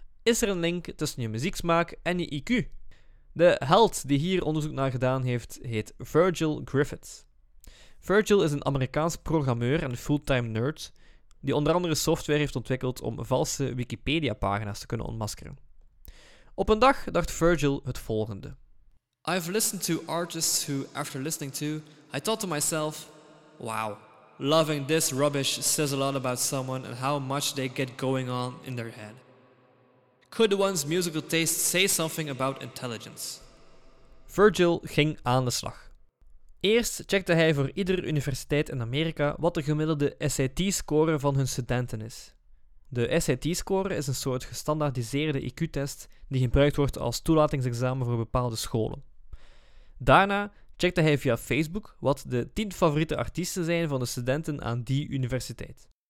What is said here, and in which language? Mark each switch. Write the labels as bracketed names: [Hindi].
[Dutch] Is er een link tussen je muzieksmaak en je IQ? De held die hier onderzoek naar gedaan heeft, heet Virgil Griffith. Virgil is een Amerikaanse programmeur en fulltime nerd, die onder andere software heeft ontwikkeld om valse Wikipedia-pagina's te kunnen ontmaskeren. Op een dag dacht Virgil het volgende. [English] I've listened to artists who, after listening to, I thought to myself, wow, loving this rubbish says a lot about someone and how much they get going on in their head. Could one's musical taste say something about intelligence? [Dutch] Virgil ging aan de slag. Eerst checkte hij voor iedere universiteit in Amerika wat de gemiddelde SAT-score van hun studenten is. De SAT-score is een soort gestandaardiseerde IQ-test die gebruikt wordt als toelatingsexamen voor bepaalde scholen. Daarna checkte hij via Facebook wat de 10 favoriete artiesten zijn van de studenten aan die universiteit.